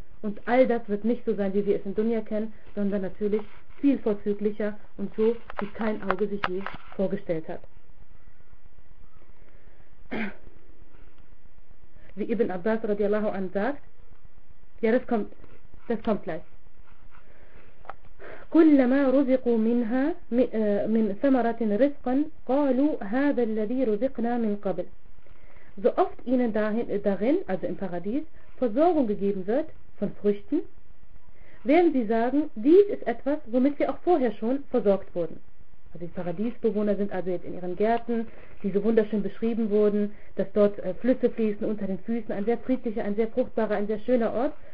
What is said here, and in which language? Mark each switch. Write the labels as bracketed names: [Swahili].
[German] Und all das wird nicht so sein, wie wir es in Dunya kennen, sondern natürlich viel vorzüglicher und so, wie kein Auge sich je vorgestellt hat. Wie Ibn Abbas radiallahu anhu sagt, ja, das kommt gleich. [Arabic] كلما رزقوا منها من ثمرة رزقا قالوا هذا الذي رزقنا من قبل. [German] So oft ihnen darin, also im Paradies, Versorgung gegeben wird von Früchten, werden sie sagen, dies ist etwas, womit wir auch vorher schon versorgt wurden. Also die Paradiesbewohner sind also jetzt in ihren Gärten, die so wunderschön beschrieben wurden, dass dort Flüsse fließen unter den Füßen, ein sehr friedlicher, ein sehr fruchtbarer, ein sehr schöner Ort.